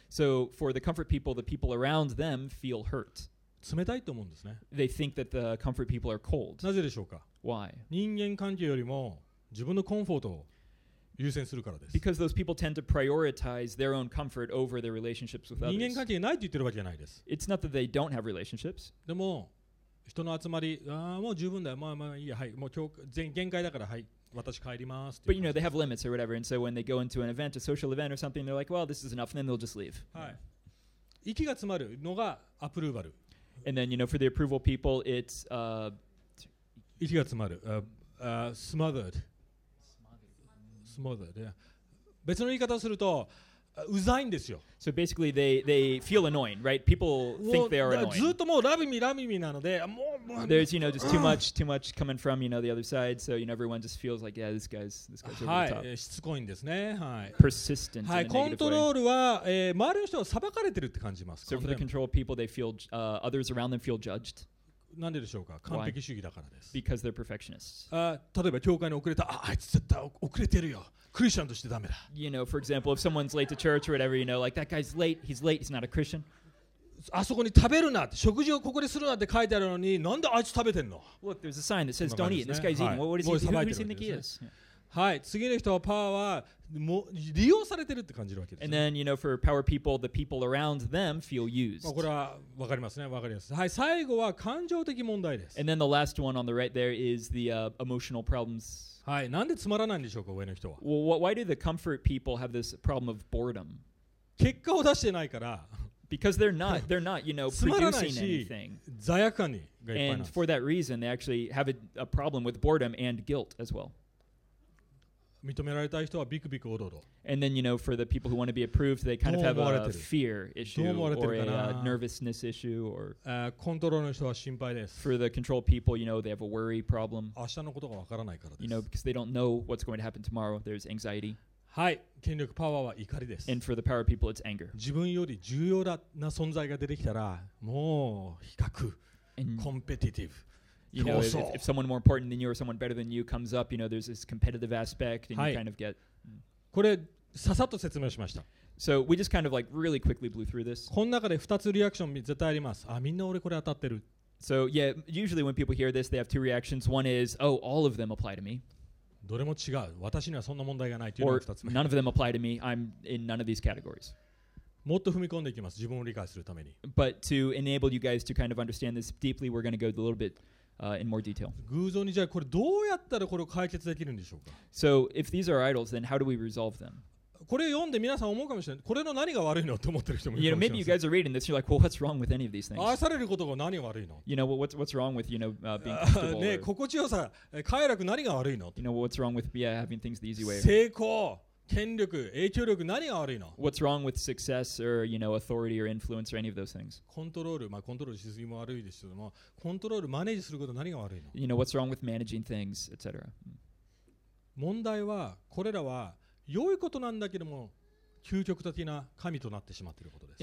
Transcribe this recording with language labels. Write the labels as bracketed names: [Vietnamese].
[English] So for the comfort people, the people around them feel hurt. [Japanese] 冷たいと思うんですね。 [English] They think that the comfort people are cold. [Japanese] なぜでしょうか? [English] Why? [Japanese] 人間関係よりも自分のコンフォートを優先するからです。 [English] Because those people tend to prioritize their own comfort over their relationships with others. [Japanese] 人間関係ないって言ってるわけじゃないです。 [English] It's not that they don't have relationships. [Japanese] でも人の集まり、ああもう十分だよ。まあまあいいや、はい、もう今日限界だから、はい。 [English] But you know, they have limits or whatever, and so when they go into an event, a social event or something, they're like, well, this is enough, and then they'll just leave. [Japanese] はい。息が詰まるのがアプローバル。 [English] And then, you know, for the approval people, it's [Japanese] 息が詰まる [English] smothered, yeah. [Japanese] 別の言い方をすると、うざいんですよ。 [English] So basically, they feel annoying, right? People think they are annoying. [Japanese] ずっともうラビミラビミなので、もう [English] There's, you know, just too much coming from, you know, the other side. So, you know, everyone just feels like, yeah, this guy's over the top. [Japanese] はい、しつこいんですね。はい。 [English] Persistent. [Japanese] はい、コントロールは、周りの人は裁かれてるって感じます。 [English] So for the control people, they feel others around them feel judged. [Japanese] なんででしょうか完璧主義だからです。 [English] Because they're perfectionists. [Japanese] 例えば教会に遅れた。あいつ絶対遅れてるよ。クリスチャンとしてダメだ。 [English] You know, for example, if someone's late to church or whatever, you know, like that guy's late, he's late, he's not a Christian. [Japanese] あそこに食べるな食事をここでするなって書いてあるのに、なんであいつ食べてんの [English] Look, there's a sign that says don't eat. This guy's eating. What is he eating? Who do you think he is? Yeah. [Japanese] はい、次の人はパワーはもう利用されてるって感じるわけです。 [English] And then, you know, for power people, the people around them feel used. [Japanese] まあこれはわかりますね、わかります。はい、最後は感情的問題です。 [English] And then the last one on the right there is the emotional problems. [Japanese] はい、なんでつまらないんでしょうか、上の人は。 [English] Well, why do the comfort people have this problem of boredom? [Japanese] 結果を出してないから。 [English] Because they're not, you know, producing anything. [Japanese] 罪悪感にがいっぱいなんです。 [English] And for that reason, they actually have a problem with boredom and guilt as well. [Japanese] 認められたい人はビクビクおどおど。 [English] And then, you know, for the people who want to be approved, they kind of have a fear issue or a nervousness issue. Or [Japanese] コントロールの人は心配です。 [English] For the control people, you know, they have a worry problem. [Japanese] 明日のことがわからないからです。 [English] You know, because they don't know what's going to happen tomorrow. There's anxiety. [Japanese] はい、権力パワーは怒りです。 [English] And for the power people, it's anger. [Japanese] 自分より重要だな存在が出てきたら、もう比較、competitive. [English] You know, if someone more important than you or someone better than you comes up, you know, there's this competitive aspect and、 [Japanese] はい、 [English] you kind of get... [Japanese] これ、ささっと説明しました。 [English] So we just kind of like really quickly blew through this. [Japanese] この中で2つリアクション絶対あります。あ、みんな俺これ当たってる。 [English] So yeah, usually when people hear this, they have two reactions. One is, oh, all of them apply to me. [Japanese] どれも違う。私にはそんな問題がないというのが 2つ目。 [English] Or none of them apply to me. I'm in none of these categories. [Japanese] もっと踏み込んでいきます。自分を理解するために。 [English] But to enable you guys to kind of understand this deeply, we're going to go a little bit in more detail. [Japanese] 偶像にじゃあこれどうやったらこれを解決できるんでしょうか? [English] So if these are idols, then how do we resolve them? [Japanese] これ読んで皆さん思うかもしれない。これの何が悪いのと思ってる人もいるかもしれない。 [English] Maybe you guys are reading this, you're like, well, what's wrong with any of these things? [Japanese] 愛されることが何が悪いの? [English] You know, what's wrong with, you know, being comfortable? [Japanese] ね、心地よさ、快楽何が悪いの? [English] You know, what's wrong with, yeah, having things the easy way? [Japanese] 成功権力、影響力、何が悪いの? [English] What's wrong with success or, you know, authority or influence or any of those things? [Japanese] コントロール、まあコントロールしすぎも悪いですけども、コントロール、マネージすること何が悪いの? [English] You know, what's wrong with managing things, etc. [Japanese] 問題は、これらは良いことなんだけども、究極的な神となってしまっていることです。